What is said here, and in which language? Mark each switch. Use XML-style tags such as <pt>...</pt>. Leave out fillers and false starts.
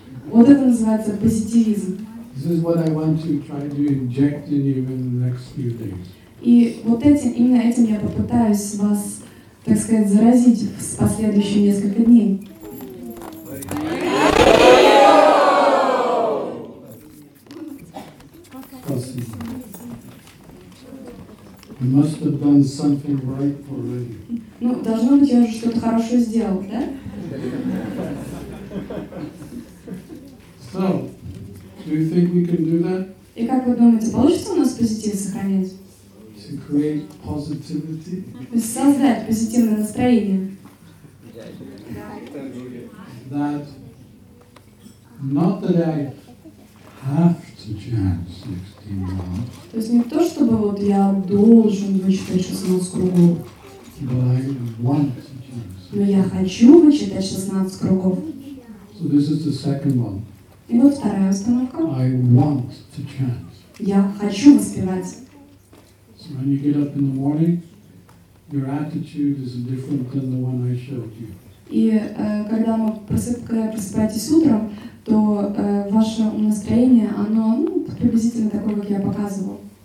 <ru>Вот это называется позитивизм.</ru> <en>This is what I want to try to inject in you in the next few days.</en> <ru>И вот этим, именно этим я попытаюсь вас, так сказать, заразить в последующие несколько дней.</ru> <en>You must have done something right already.</en> <ru>Ну, должно быть, я уже что-то хорошо сделал, да?</ru> <en>So, do you think we can do that?</en> <ru>И как вы думаете, получится у нас позитив сохранить?</ru> <en>To create positivity?</en> <ru>Создать позитивное настроение.</ru> <en>That, not that I have to chant 16 rounds.</en> <ru>То есть не то, чтобы вот я должен вычитать 16 кругов.</ru> <en>But I want to chant 16 rounds.</en> <ru>Но я хочу вычитать 16 кругов.</ru> <en>So this is the second one.</en> <ru>И вот вторая установка.</ru> <en>I want to chant.</en> <ru>Я хочу воспевать.</ru> <en>So when you get up in the morning, your attitude is different than the one I showed you.</en> <ru>И когда мы просыпаетесь утром, то ваше настроение, оно приблизительно такое, как я показывал.</ru>